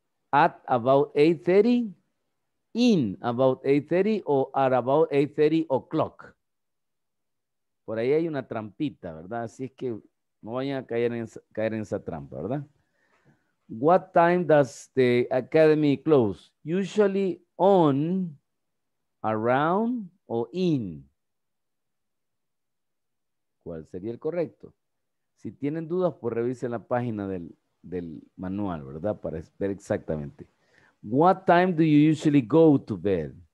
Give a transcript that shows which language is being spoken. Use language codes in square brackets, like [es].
[en] At about 8:30, in about 8:30 o at about 8:30 o'clock. [es] Por ahí hay una trampita, ¿verdad? Así es que no vayan a caer en esa trampa, ¿verdad? [en] What time does the academy close? Usually on, around, o in. [es] ¿Cuál sería el correcto? Si tienen dudas, pues revisen la página del manual, ¿verdad? Para ver exactamente. [en] What time do you usually go to bed?